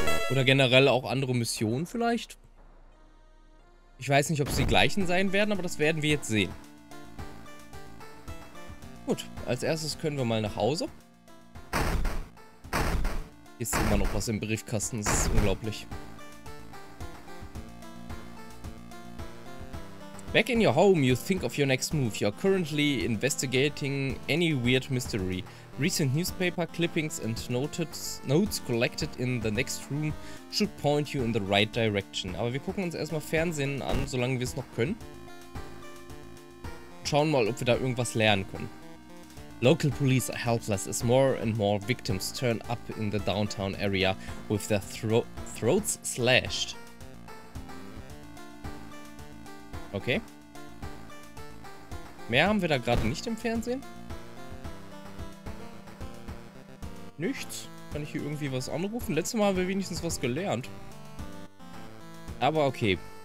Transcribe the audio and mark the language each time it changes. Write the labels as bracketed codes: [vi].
[de] Oder generell auch andere Missionen vielleicht. Ich weiß nicht, ob sie die gleichen sein werden, aber das werden wir jetzt sehen. Gut, als erstes können wir mal nach Hause. Hier ist immer noch was im Briefkasten, das ist unglaublich. [en] Back in your home, you think of your next move. You're currently investigating any weird mystery. Recent newspaper clippings and notes collected in the next room should point you in the right direction. [de] Aber wir gucken uns erstmal Fernsehen an, solange wir es noch können. Schauen mal, ob wir da irgendwas lernen können. [en] Local police are helpless as more and more victims turn up in the downtown area with their throats slashed. Okay. [de] Mehr haben wir da gerade nicht im Fernsehen. Nichts. Kann ich hier irgendwie was anrufen? Letztes Mal haben wir wenigstens was gelernt. Aber okay.